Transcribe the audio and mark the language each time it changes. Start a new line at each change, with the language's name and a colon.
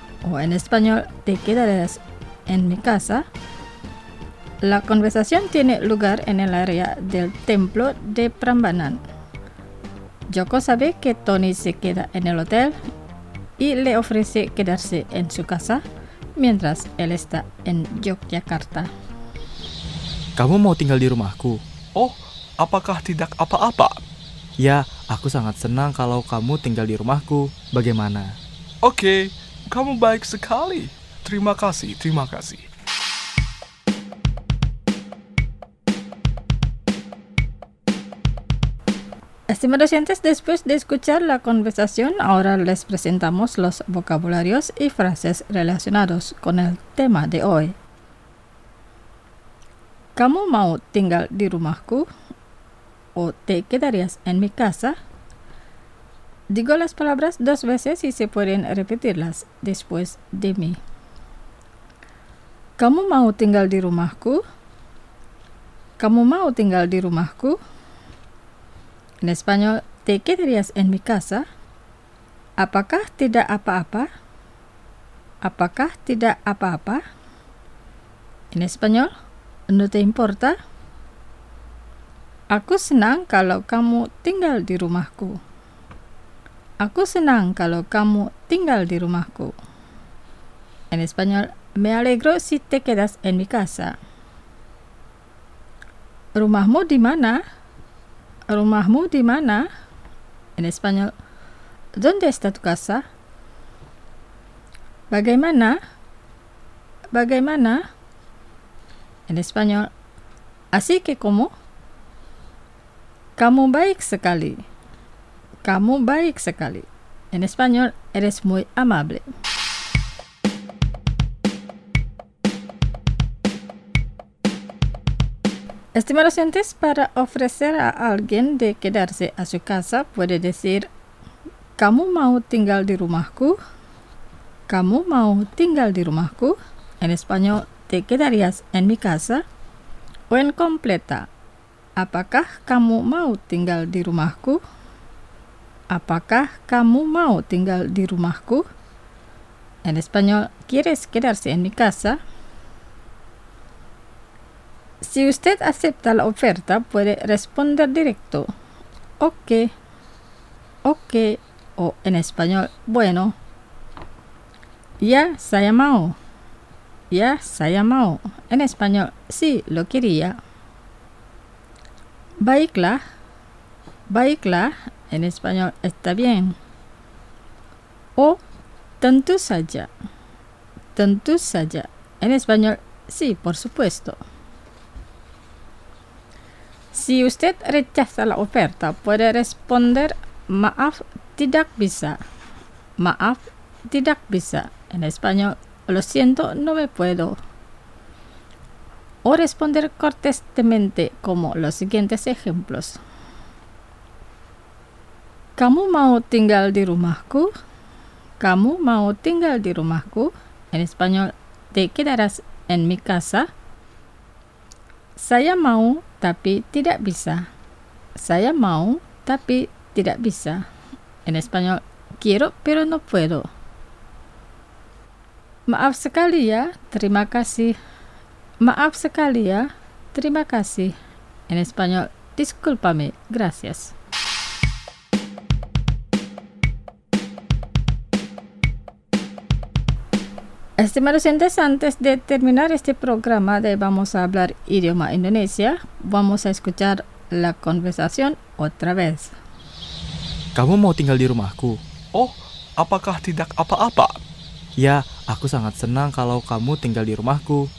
Spanish: O en español, ¿te quedarías en mi casa? La conversación tiene lugar en el área del templo de Prambanan. Yoko sabe que Tony se queda en el hotel y le ofrece quedarse en su casa mientras él está en Yogyakarta.
Indonesian: Kamu mau tinggal di rumahku? Oh, apakah tidak apa-apa? Ya, aku sangat senang kalau kamu tinggal di rumahku. Bagaimana? Oke, kamu baik sekali. Terima kasih.
Spanish: Estimados oyentes, después de escuchar la conversación, ahora les presentamos los vocabularios y frases relacionados con el tema de hoy.
Indonesian: ¿Kamu mau tinggal di rumahku?
Spanish: ¿O te quedarías en mi casa? Digo las palabras dos veces y se pueden repetirlas después de mí.
Indonesian: ¿Kamu mau tinggal di rumahku? ¿Kamu mau tinggal di rumahku?
Spanish: En español, ¿te quedarías en mi casa?
Indonesian: ¿Apakah tidak apa-apa? ¿Apakah tidak apa-apa?
Spanish: En español, ¿no te importa?
Indonesian: Aku senang kalau kamu tinggal di rumahku. Aku senang kalau kamu tinggal di rumahku.
Spanish: En español, me alegro si te quedas en mi casa.
Indonesian: Rumahmu di mana? Rumahmu di mana?
Spanish: En español, ¿dónde está tu casa?
Indonesian: Bagaimana? Bagaimana?
Spanish: En español, así que cómo?
Indonesian: Kamu baik sekali. Kamu baik sekali.
Spanish: En español, eres muy amable. Estimados oyentes, para ofrecer a alguien de quedarse a su casa, puede decir
Indonesian: ¿Kamu mau tinggal di rumahku? ¿Kamu mau tinggal di rumahku?
Spanish: En español, ¿te quedarías en mi casa? O en completa,
Indonesian: ¿apakah kamu mau tinggal di rumahku? ¿Apakah kamu mau tinggal di rumahku?
Spanish: En español, ¿quieres quedarse en mi casa? Si usted acepta la oferta, puede responder directo, ok, ok, o en español, bueno,
Indonesian: ya, saya mau, ya, saya mau,
Spanish: en español, sí, lo quería.
Indonesian: Baiklah, baiklah,
Spanish: en español, está bien. O,
Indonesian: tentu saja, tentu saja,
Spanish: en español, sí, por supuesto. Si usted rechaza la oferta, puede responder
Indonesian: maaf, tidak bisa. Maaf, tidak bisa.
Spanish: En español, lo siento, no me puedo. O responder cortésmente como los siguientes ejemplos.
Indonesian: ¿Kamu mau tinggal di rumahku? ¿Kamu mau tinggal di rumahku?
Spanish: En español, ¿te quedarás en mi casa?
Indonesian: Saya mau tapi tidak bisa. Saya mau, tapi tidak bisa.
Spanish: En español, quiero, pero no puedo.
Indonesian: Maaf sekali ya, terima kasih. Maaf sekali ya, terima kasih.
Spanish: En español, discúlpame, gracias. Estimados oyentes, antes de terminar este programa de Vamos a hablar idioma Indonesia, vamos a escuchar la conversación otra vez.
Indonesian: Kamu mau tinggal di rumahku? Oh, apakah tidak apa-apa? Ya, aku sangat senang kalau kamu tinggal di rumahku.